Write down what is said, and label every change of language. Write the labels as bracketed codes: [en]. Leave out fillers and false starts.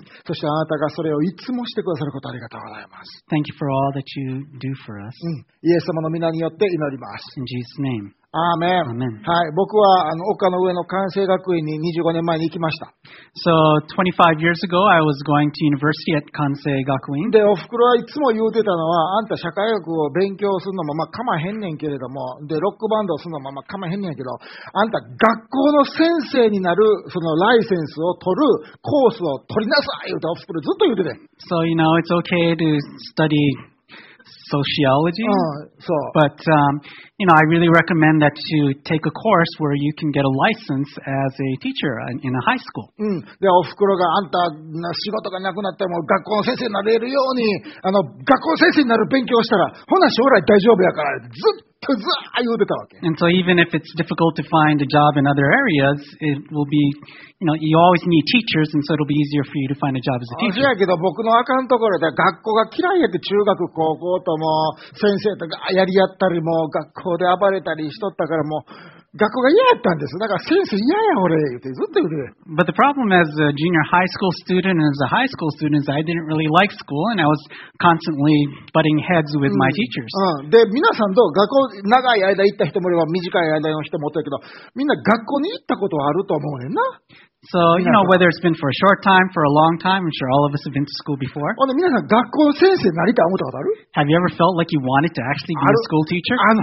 [ja] そしてあなたがそれをいつもしてくださることありがとうございます。 [en] Thank you for all that you do for us. [ja] イエス様の御名によって祈ります。 [en] In Jesus' name. Amen. Amen. [ja] はい、僕は丘の上の関西学院に25年前に行きました。 [en] So 25 years ago, I was going to university at 関西学院。 [ja] で、おふくろはいつも言うてたのは、あんた社会学を勉強するのもまあかまへんねんけれども、で、ロックバンドをするのもまあかまへんねんけど、あんた学校の先生になるそのライセンスを取るコースを取りなさいとおふくろずっと言うてて。 [en] So you know, it's okay to study sociology. So. But, I really recommend that you take a course where you can get a license as a teacher in a high school. [ja] で、おふくろがあんたの仕事がなくなっても学校の先生になれるように、学校先生になる勉強したら、ほな将来大丈夫やから、ずっとずーっと言うてたわけ。 [en] And so even if it's difficult to find a job in other areas, it will be, you always need teachers, and so it'll be easier for you to find a job as a teacher. [ja] そやけど僕のあかんところで学校が嫌いやって中学、高校とも先生とかやり合ったりも、学校で暴れたりしとったからもう学校が嫌やったんです。だから先生嫌や俺ってずっと言って。 [en] But the problem as a junior high school student and as a high school student is I didn't really like school and I was constantly butting heads with my teachers. [ja] で皆さんどう学校長い間行った人もいれば短い間の人もいたけどみんな学校に行ったことはあると思うねんな。 [en] So, whether it's been for a short time, for a long time, I'm sure all of us have been to school before. Have you ever felt like you wanted to actually be a school teacher?